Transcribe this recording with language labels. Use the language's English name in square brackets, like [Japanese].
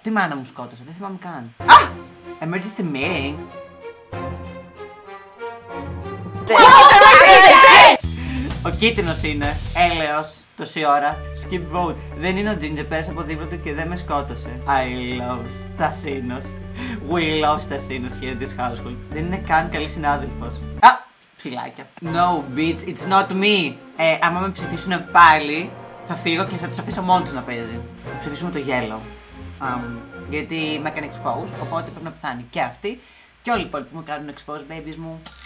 [Greek] Τη μάνα μου σκότωσα, δεν θυμάμαι καν. Α! Emergency meeting. Ο κίτρινος είναι. Έλεος. Τόση ώρα. [English] Skip vote. [Greek] Δεν είναι ο Ginger, πέρασε από δίπλα του και δεν με σκότωσε. [English] I love Stasinos. We love Stasinos here in this household. [Greek] Δεν είναι καν καλή συνάδελφος. Α! Φιλάκια. [English] No, bitch, it's not me. [Greek] Άμα με ψηφίσουν πάλι, θα φύγω και θα τους αφήσω μόνο τους να παίζει. Θα ψηφίσουμε το yellow. Γιατί με έκανε expose, οπότε πρέπει να πεθάνει και αυτή. Και όλοι οι υπόλοιποι που μου κάνουν expose, babies μου.